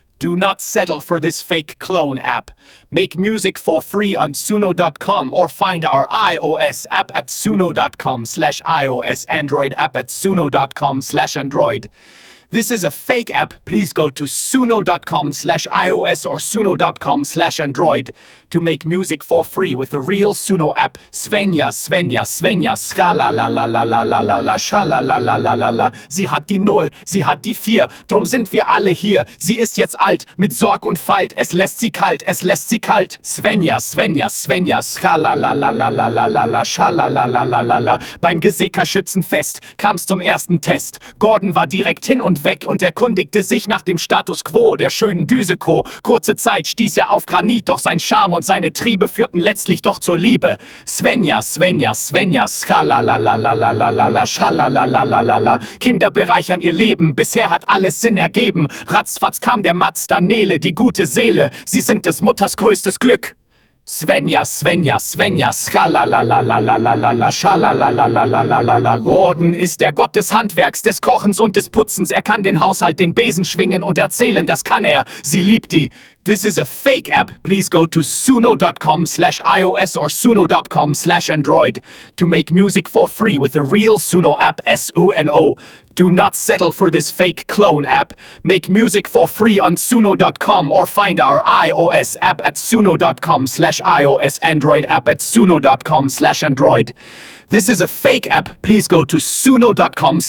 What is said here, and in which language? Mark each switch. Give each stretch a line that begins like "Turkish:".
English: Do not settle for this fake clone app. Make music for free on suno.com or find our iOS app at suno.com/iOS, Android app at suno.com/android. This is a fake app. Please go to suno.com/iOS or suno.com/android to make music for free with the real Suno app. Svenja, Svenja, Svenja, ska la la la la la la la la, sha la la la la la la.
German: Sie hat die Null, sie hat die Vier, drum sind wir alle hier. Sie ist jetzt alt, mit Sorg und Falt, es lässt sie kalt, es lässt sie kalt. Svenja, Svenja, Svenja, ska la la la la la la la la, sha la la la la la la. Beim Gesicker-Schützenfest kam's zum ersten Test. Gordon war direkt hin und weg und erkundigte sich nach dem Status quo der schönen Düseko. Kurze Zeit stieß er auf Granit, doch sein Charme und seine Triebe führten letztlich doch zur Liebe. Svenja, Svenja, Svenja, schalalalalalala, schalalalalalala. Kinder bereichern ihr Leben, bisher hat alles Sinn ergeben. Ratzfatz kam der Matz, Danele, die gute Seele. Sie sind des Mutters größtes Glück. Svenja, Svenja, Svenja, schalalalalalala, schalalalalalalala. Gordon ist der Gott des Handwerks, des Kochens und des Putzens. Er kann den Haushalt, den Besen schwingen und erzählen, das kann er. Sie liebt die.
English: This is a fake app. Please go to suno.com/iOS or suno.com/android to make music for free with the real Suno app, S-U-N-O. Do not settle for this fake clone app. Make music for free on suno.com or find our iOS app at suno.com/iOS, Android app at suno.com/android. This is a fake app. Please go to suno.com/